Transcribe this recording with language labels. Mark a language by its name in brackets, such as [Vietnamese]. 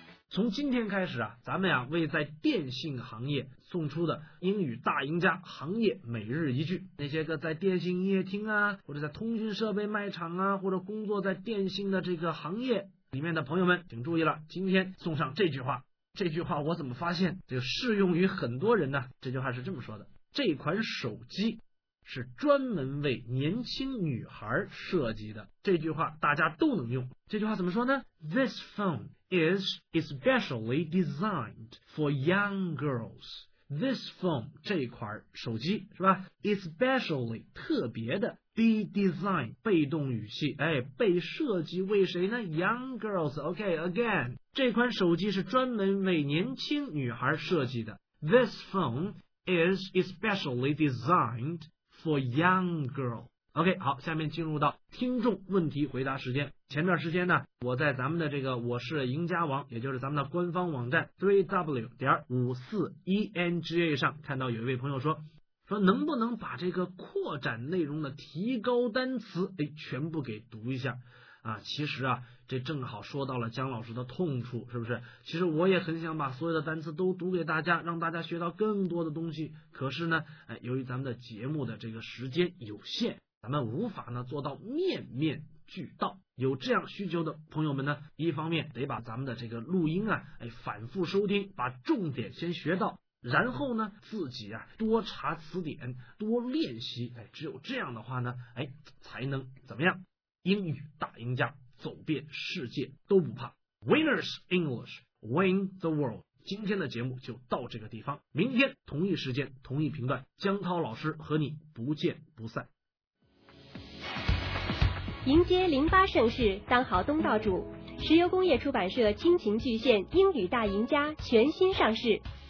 [Chinese] 从今天开始啊，咱们呀、为在电信行业送出的英语大赢家行业每日一句，那些个在电信营业厅啊，或者在通讯设备卖场啊，或者工作在电信的这个行业里面的朋友们，请注意了，今天送上这句话。这句话我怎么发现就适用于很多人呢？这句话是这么说的：这款手机是专门为年轻女孩设计的。这句话大家都能用。这句话怎么说呢？ [English] This phone is especially designed for young girls. This phone [Chinese] 这款手机是吧？Especially 特别的， [English] be designed [Chinese] 被动语气，哎，被设计为谁呢？ [English] Young girls. OK, again, [Chinese] 这款手机是专门为年轻女孩设计的。 [English] This phone is especially designed for young girl. [Chinese] OK, 好，下面进入到听众问题回答时间。前段时间呢，我在咱们的这个我是赢家网，也就是咱们的官方网站 3w.54enga 上看到有一位朋友说能不能把这个扩展内容的提高单词全部给读一下啊。其实啊，这正好说到了姜老师的痛处，是不是？其实我也很想把所有的单词都读给大家，让大家学到更多的东西。可是呢，由于咱们的节目的这个时间有限，咱们无法呢做到面面俱到。有这样需求的朋友们呢，一方面得把咱们的这个录音啊，反复收听，把重点先学到，然后呢自己啊多查词典，多练习，只有这样的话呢，才能怎么样？英语大赢家，走遍世界都不怕。 [English] Winners English, win the world. [Chinese] 今天的节目就到这个地方，明天同一时间同一频段，江涛老师和你不见不散。迎接08盛世，当好东道主，石油工业出版社倾情巨献英语大赢家全新上市。